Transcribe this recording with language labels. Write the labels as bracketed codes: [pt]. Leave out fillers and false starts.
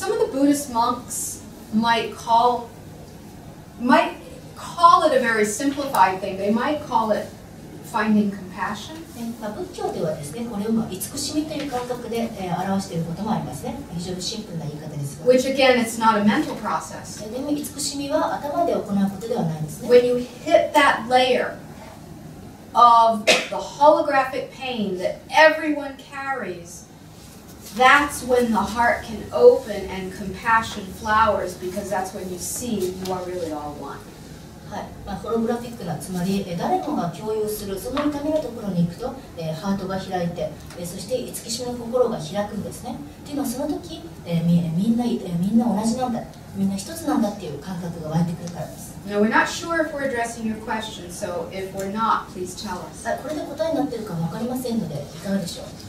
[en] Some of the Buddhist monks might call it a very simplified thing. They might call it finding compassion. [ja] まあ、仏教ではですね、これをまあ慈しみという感覚で、表していることもありますね。非常にシンプルな言い方。 [en] Which again, it's not a mental process. [ja] でも慈しみは頭で行うことではないんですね。 [en] When you hit that layer of the holographic pain that everyone carries, that's when the heart can open and compassion flowers because that's when you see you are really all one. [ja] はい、まあ、ホログラフィックな、つまり誰もが共有するその痛みのところに行くと、ハートが開いて、そして慈しみの心が開くんですね。というのはその時、みんな同じなんだ、みんな一つなんだっていう感覚が湧いてくるからです。 [en] Now we're not sure if we're addressing your question, so if we're not, please tell us. [ja] これで答えになってるかわかりませんので、いかがでしょう。